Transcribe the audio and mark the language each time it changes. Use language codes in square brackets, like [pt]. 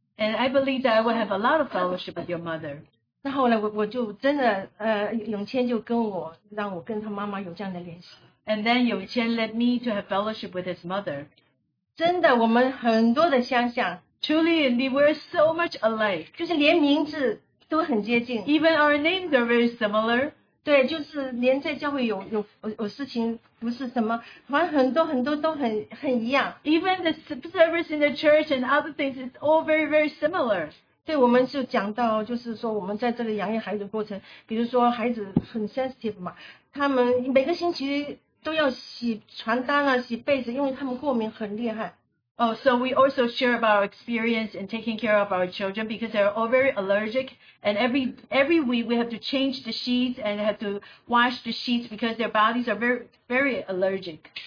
[en] And I believe that I will have a lot of fellowship with your mother. [zh] 那后来我就真的，永谦就跟我，让我跟他妈妈有这样的联系。 [en] And then 永谦 led me to have fellowship with his mother. [zh] 真的，我们很多的相像。 [en] Truly, indeed, we're so much alike. [zh] 就是连名字都很接近。 [en] Even our names are very similar. [zh] 对，就是连在教会有事情，不是什么，反正很多很多都很一样。 [en] Even the service in the church and other things is all very very similar. [zh] 对，我们就讲到就是说我们在这个养育孩子的过程，比如说孩子很 sensitive 嘛，他们每个星期都要洗床单啊，洗被子，因为他们过敏很厉害。 [en] Oh, so we also share about our experience in taking care of our children because they're all very allergic. And every week we have to change the sheets and have to wash the sheets because their bodies are very very allergic.